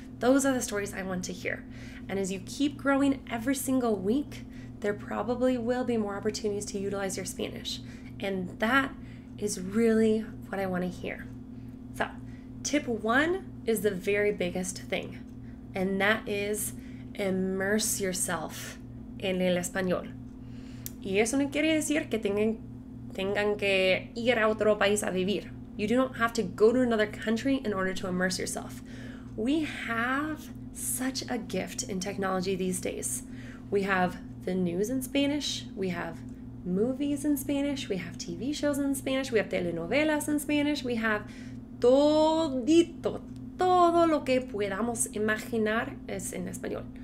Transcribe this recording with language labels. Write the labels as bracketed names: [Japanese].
[English] Those are the stories I want to hear. And as you keep growing every single week, there probably will be more opportunities to utilize your Spanish. And that is really what I want to hear. So, tip one is the very biggest thing, and that is immerse yourself [Spanish] en el español. Y eso no quiere decir que tengan que ir a otro país a vivir. [English] You do not have to go to another country in order to immerse yourself. We have such a gift in technology these days. We have the news in Spanish, we have movies in Spanish, we have TV shows in Spanish, we have telenovelas in Spanish, we have [Spanish] todito, todo lo que podamos imaginar es en español.